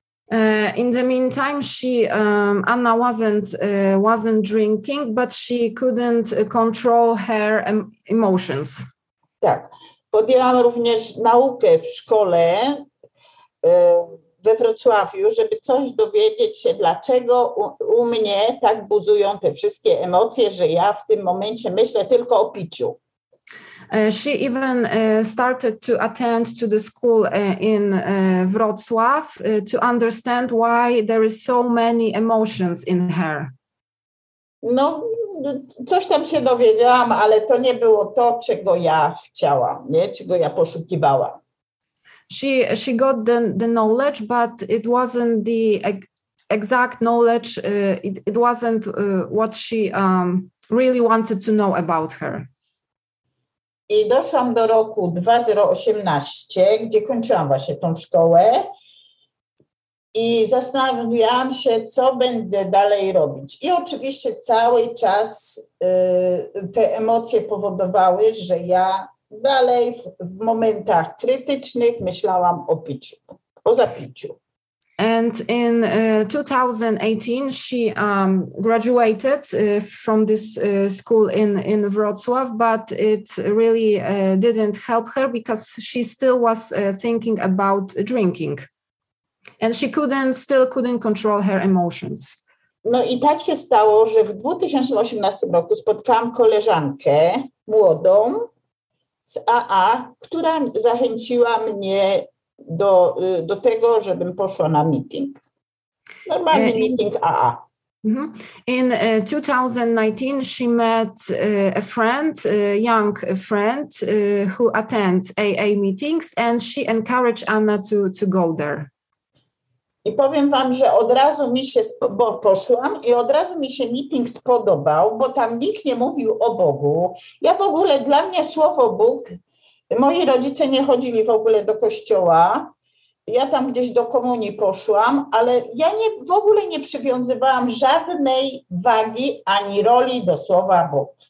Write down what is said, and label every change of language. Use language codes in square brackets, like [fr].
[en] In the meantime, she Anna wasn't drinking, but she couldn't control her emotions. [pl] Tak. Podjęłam również naukę w szkole we Wrocławiu, żeby coś dowiedzieć się, dlaczego u mnie tak buzują te wszystkie emocje, że ja w tym momencie myślę tylko o piciu. [en] She even started to attend to the school in Wrocław to understand why there is so many emotions in her. [pl] No, coś tam się dowiedziałam, ale to nie było to, czego ja chciałam, nie? Czego ja poszukiwałam. [en] She got the knowledge, but it wasn't the exact knowledge. It wasn't what she really wanted to know about her. [pl] I doszłam do roku 2018, gdzie kończyłam właśnie tą szkołę i zastanawiałam się, co będę dalej robić. I oczywiście cały czas te emocje powodowały, że ja dalej w momentach krytycznych myślałam o piciu, o zapiciu. [en] And in 2018 she graduated from this school in Wrocław, but it really didn't help her because she still was thinking about drinking. And she couldn't control her emotions. [pl] No i tak się stało, że w 2018 roku spotkałam koleżankę młodą z AA, która zachęciła mnie do tego, żebym poszła na meeting. Normalny meeting AA. Mm-hmm. [en] In 2019 she met a friend, a young friend who attends AA meetings, and she encouraged Anna to go there. [pl] I powiem wam, że od razu mi się poszłam i od razu mi się meeting spodobał, bo tam nikt nie mówił o Bogu. Ja w ogóle, dla mnie słowo Bóg, moi rodzice nie chodzili w ogóle do kościoła, ja tam gdzieś do komunii poszłam, ale ja nie, w ogóle nie przywiązywałam żadnej wagi ani roli do słowa Bóg.